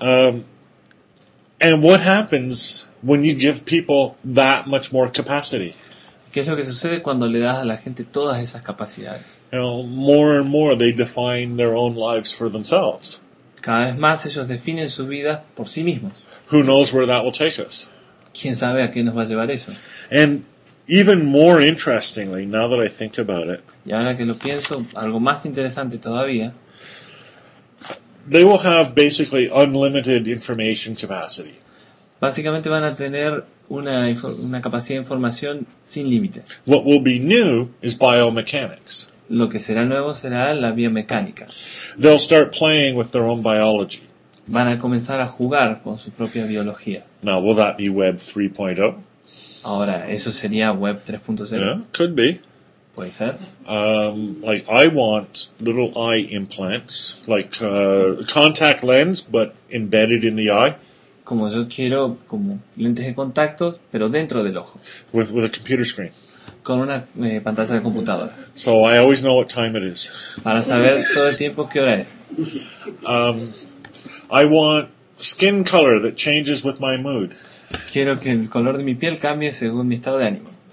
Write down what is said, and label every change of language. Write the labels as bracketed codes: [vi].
[en] And what happens when you give people that much more capacity? [es] ¿Qué es lo que sucede cuando le das a la gente todas esas capacidades? [en] You know, more and more they define their own lives for themselves. [es] Cada vez más ellos definen su vida por sí mismos. [en] Who knows where that will take us? [es] ¿Quién sabe a qué nos va a llevar eso? [en] And even more interestingly, now that I think about it, [es] y ahora que lo pienso, algo más interesante todavía, [en] they will have basically unlimited information capacity. [es] Básicamente van a tener una capacidad de información sin límites. [en] What will be new is biomechanics. [es] Lo que será nuevo será la biomecánica. [en] They'll start playing with their own biology. [es] Van a comenzar a jugar con su propia biología. [en] Now, will that be Web 3.0? [es] Ahora, ¿eso sería Web 3.0? [en] Yeah, could be. [es] Puede ser. [en] Like, I want little eye implants, like contact lens, but embedded in the eye. [es] Como yo quiero, como lentes de contacto, pero dentro del ojo. [en] With a computer screen. [es] Con una pantalla de computadora. [en] So I always know what time it is. [es] Para saber todo el tiempo qué hora es. [en] I want skin color that changes with my mood. [es] Quiero que el color de mi piel cambie según mi estado de ánimo.